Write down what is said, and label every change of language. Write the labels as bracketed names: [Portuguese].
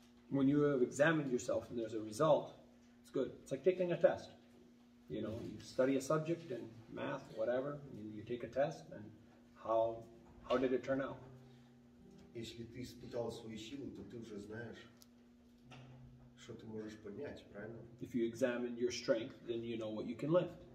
[English] When you have examined yourself and there's a result, it's good. It's like taking a test. You know, you study a subject in math, whatever, and you take a test, and how did it turn out? [Russian] Если ты испытал свою силу, то ты уже знаешь, что ты можешь поднять, правильно? [English] If you examine your strength, then you know what you can lift.